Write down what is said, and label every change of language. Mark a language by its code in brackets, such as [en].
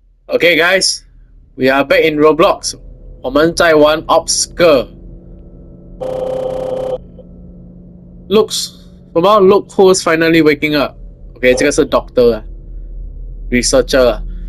[en] OK guys, we are back in Roblox. [zh] 我们在玩 Obscure. [en] Looks, from our look, who's finally waking up? OK, [zh] 这个是 [en] Doctor, Researcher.